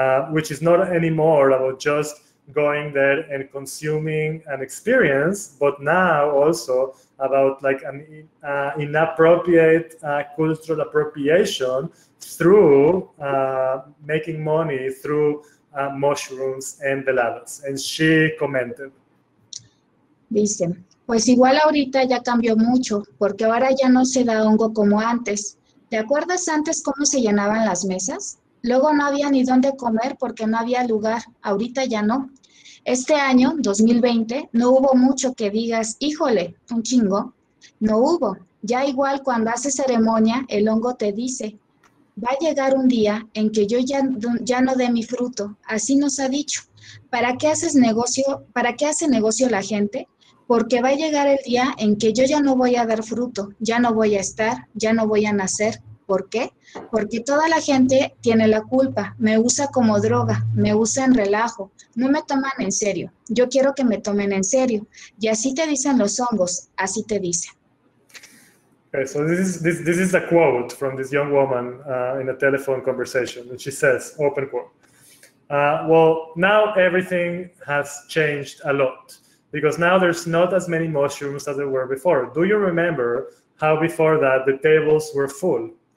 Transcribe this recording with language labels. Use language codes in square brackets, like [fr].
[en] which is not anymore about just going there and consuming an experience, but now also about like an inappropriate cultural appropriation through making money through mushrooms and veladas. And she commented. [es] Dice, pues igual ahorita ya cambió mucho, porque ahora ya no se da hongo como antes. ¿Te acuerdas antes cómo se llenaban las mesas? Luego no había ni dónde comer porque no había lugar. Ahorita ya no. Este año, 2020, no hubo mucho que digas, híjole, un chingo. No hubo. Ya igual cuando haces ceremonia, el hongo te dice, va a llegar un día en que yo ya no dé mi fruto. Así nos ha dicho. ¿Para qué haces negocio? ¿Para qué hace negocio la gente? Porque va a llegar el día en que yo ya no voy a dar fruto, ya no voy a estar, ya no voy a nacer. ¿Por qué? Porque toda la gente tiene la culpa, me usa como droga, me usa en relajo, no me toman en serio, yo quiero que me tomen en serio, y así te dicen los hongos, así te dicen. [en] Okay, so this is a quote from this young woman in a telephone conversation, and she says, open quote, well, now everything has changed a lot, because now there's not as many mushrooms as there were before. Do you remember how before that the tables were full?